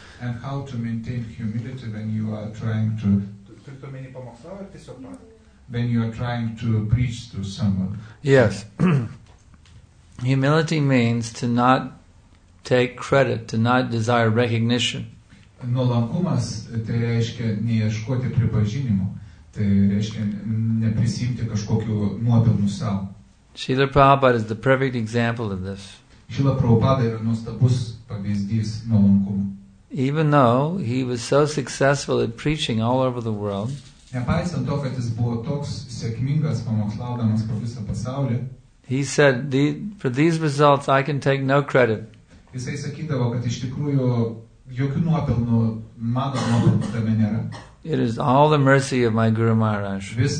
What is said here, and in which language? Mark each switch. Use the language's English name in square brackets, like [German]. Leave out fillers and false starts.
[English] And how to maintain humility when you are trying to? When you are trying to preach to someone. Yes. Humility means to not take credit, to not desire recognition. [Lithuanian] Nuolankumas tai reiškia neieškoti pripažinimo. [English] Srila Prabhupada is the perfect example of this. [Lithuanian] Srila Prabhupada yra nuostabus pavyzdys nuolankumo. [English] Even though he was so successful at preaching all over the world, [Lithuanian] nepaisant to, kad jis buvo toks sėkmingas pamokslaudamas po visą pasaulį, [English] he said, for these results I can take no credit. [Lithuanian] Jisai sakydavo, kad iš tikrųjų jokių nuopelnų mano nuopelnų tame nėra. [English] It is all the mercy of my Guru Maharaj.